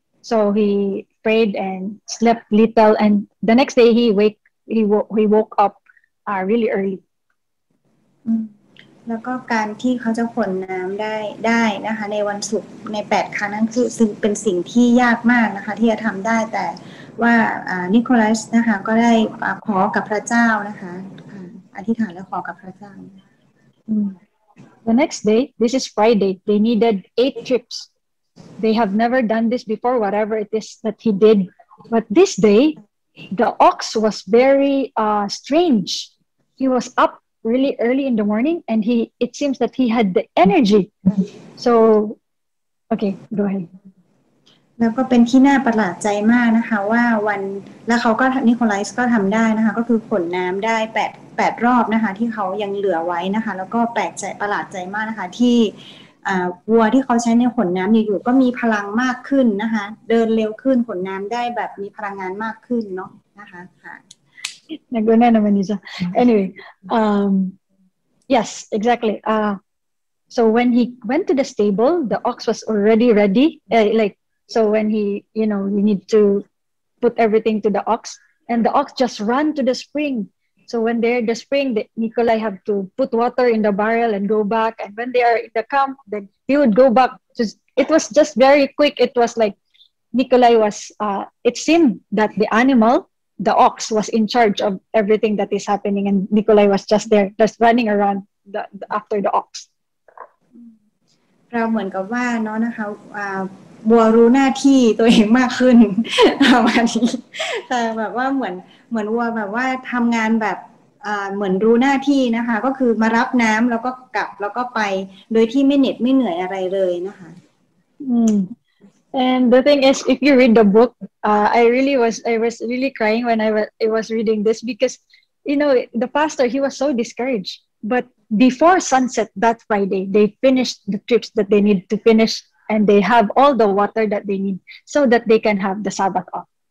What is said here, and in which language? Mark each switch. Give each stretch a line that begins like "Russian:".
English: So he prayed and slept little, and the next day he woke up really early.
Thai: แล้วก็การที่เขาจะขนน้ำได้นะคะในวันศุกร์ใน8ครั้งนั้นคือเป็นสิ่งที่ยากมากนะคะที่จะทำได้แต่ว่านิโคลัสนะคะก็ได้ขอกับพระเจ้านะคะอธิษฐานและขอกับพระเจ้า
English: The next day this is Friday they needed 8 trips they have never done this before whatever it is that he did but this day the ox was very strange he was up really early in the morning, and it seems that he had the energy. So, okay, go ahead.
Thai: แล้วก็เป็นที่น่าประหลาดใจมากนะคะว่าวันแล้วเขาก็นิโคลัสก็ทำได้นะคะก็คือขนน้ำได้8รอบนะคะที่เขายังเหลือไว้นะคะแล้วก็แปลกใจประหลาดใจมากนะคะที่วัวที่เขาใช้ในขนน้ำอยู่ๆก็มีพลังมากขึ้นนะคะเดินเร็วขึ้นขนน้ำได้แบบมีพลังงานมากขึ้นเนาะนะคะ นักเรียนนะมานิจ่า
English: anyway yes exactly so when he went to the stable the ox was already ready likeSo when he, you know, you need to put everything to the ox, and the ox just run to the spring. So when they're in the spring, Nikolai have to put water in the barrel and go back. And when they are in the camp, then he would go back. It was just very quick. It was like Nikolai was, it seemed that the animal, the ox, was in charge of everything that is happening. And Nikolai was just there, just running around after the ox.
Thai: เราเหมือนกับว่าเนาะนะคะบัวรู้หน้าที่ตัวเองมากขึ้นประมาณนี้แต่แบบว่าเหมือนวัวแบบว่าทำงานแบบเหมือนรู้หน้าที่นะคะก็คือมารับน้ำแล้วก็กลับแล้วก็ไปโดยที่ไม่เหน็ดไม่เหนื่อยอะไรเลยนะคะ
English: And the thing is if you read the book I was really crying when I was reading this because you know the pastor he was so discouraged but before sunset that Friday they finished the trips that they need to finishAnd they have all the water that they need, so that they can have the Sabbath off.